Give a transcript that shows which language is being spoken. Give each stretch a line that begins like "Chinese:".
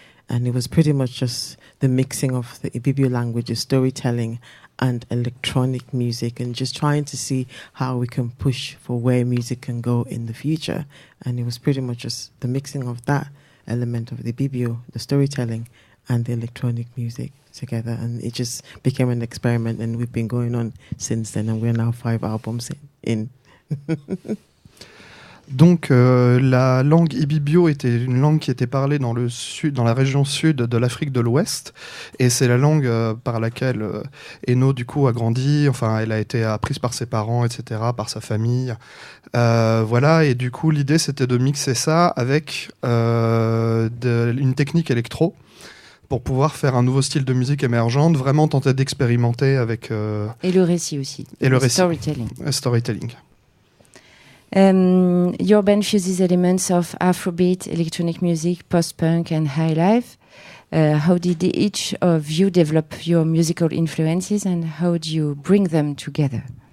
English: And it was pretty much just the mixing of the Ibibio languages, storytelling and electronic music, and just trying to see how we can push for where music can go in the future. And it was pretty much just the mixing of that element of the Ibibio, the storytelling and the electronic music together, and it just became an experiment, and we've been going on since then, and we're now 5 albums in.
French: Donc la langue Ibibio était une langue qui était parlée dans le sud, dans la région sud de l'Afrique de l'Ouest, et c'est la langue par laquelle Eno du coup a grandi. Enfin, elle a été apprise par ses parents, etc., par sa famille. Voilà, et du coup l'idée c'était de mixer ça avec une technique électro. pour pouvoir faire un nouveau style de musique émergente, vraiment tenter d'expérimenter avec... Et le récit aussi. Et le récit.
English: Storytelling. Storytelling. Your band fuses elements of Afrobeat, electronic music, post-punk and high life. How did each of you develop your musical influences and how do you bring them together?